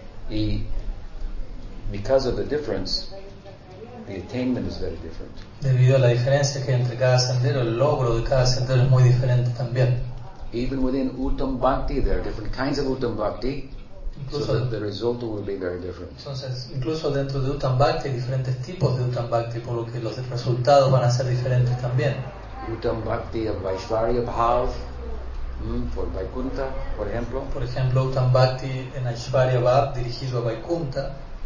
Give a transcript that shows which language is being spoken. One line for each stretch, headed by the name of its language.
English: Y, because of the difference, the attainment is very different.
Spanish: Debido a la diferencia que hay entre cada sendero, el logro de cada sendero es muy diferente también.
English: Even within Uttam Bhakti, there are different kinds of Uttam Bhakti,
Spanish: incluso,
English: so the result will be very different.
Spanish: Entonces, incluso dentro de Uttam Bhakti hay diferentes tipos de Uttam Bhakti, por lo que los resultados van a ser diferentes también.
English: Uttam Bhakti of Vaishvarya Bhav, for Vaikuntha,
Spanish: por ejemplo. Por ejemplo, Uttam Bhakti en Vaishvarya Bhav, dirigido a Vaikuntha.